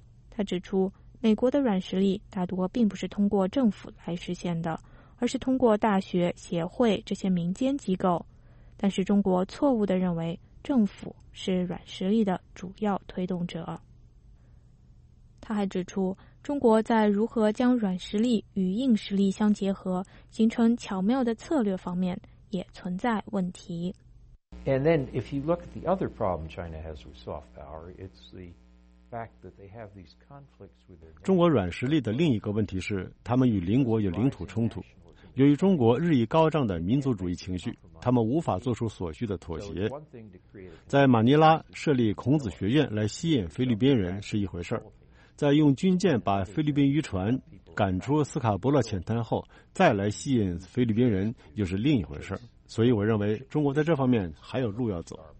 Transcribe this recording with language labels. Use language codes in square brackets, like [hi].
[zh] 他指出，美国的软实力大多并不是通过政府来实现的，而是通过大学、协会这些民间机构，但是中国错误地认为政府是软实力的主要推动者。他还指出，中国在如何将软实力与硬实力相结合，形成巧妙的策略方面也存在问题。 [en] And then if you look at the other problem China has with soft power, it's the fact that they have these conflicts with their [zh] 中国软实力的另一个问题是他们与邻国有领土冲突。由于中国日益高涨的民族主义情绪，他们无法做出所需的妥协。在马尼拉设立孔子学院来吸引菲律宾人是一回事儿。在用军舰把菲律宾渔船赶出斯卡伯勒浅滩后再来吸引菲律宾人又是另一回事，所以我认为中国在这方面还有路要走。